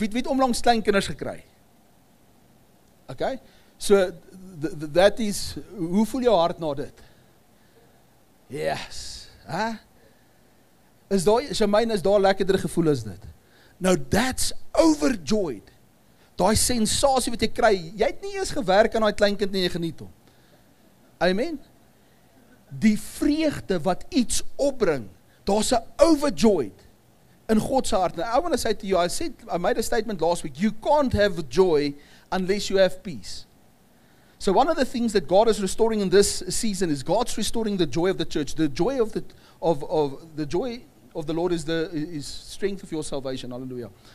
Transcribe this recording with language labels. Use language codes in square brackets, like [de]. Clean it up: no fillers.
[af] Wie het onlangs klein kinders gekry? Okay? [en] So, that is, [af] hoe voel jou hart na dit? Yes. Huh? Is daar lekkerder gevoel as dit? [en] Now that's overjoyed. [af] Daai sensasie wat jy kry, jy het nie eens gewerk aan daai klein kind nie, jy geniet hom. Amen. Die vreugde wat iets opbring, daar's 'n overjoyed in God se hart. Nou, [en] I want to say to you, I said, I made a statement last week, you can't have joy unless you have peace. So one of the things that God is restoring in this season is God's restoring the joy of the church. The joy of the Lord is strength of your salvation. Hallelujah.